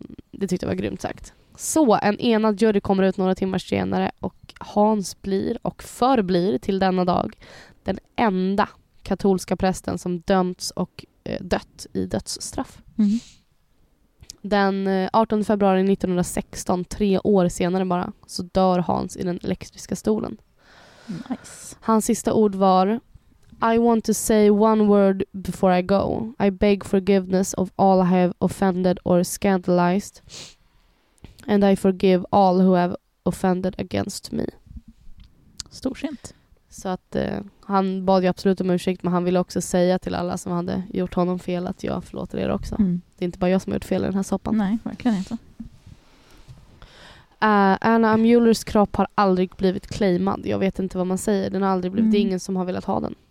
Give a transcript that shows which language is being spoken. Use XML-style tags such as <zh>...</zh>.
<sv>Det tyckte jag var grymt sagt. Så, en enad jury kommer ut några timmar senare och Hans blir och förblir till denna dag den enda katolska prästen som dömts och dött i dödsstraff. Mm. Den 18 februari 1916, 3 år senare bara, så dör Hans i den elektriska stolen. Nice. Hans sista ord var</sv> <en>I want to say one word before I go. I beg forgiveness of all I have offended or scandalized. And I forgive all who have offended against me.</en> <sv>Storsint. Så att han bad ju absolut om ursäkt, men han ville också säga till alla som hade gjort honom fel att jag förlåter er också. Mm. Det är inte bara jag som har gjort fel i den här soppan. Nej, verkligen inte. Anna Mueller's kropp har aldrig blivit claimad. Jag vet inte vad man säger. Den har aldrig blivit. Det är ingen som har velat ha den.</sv>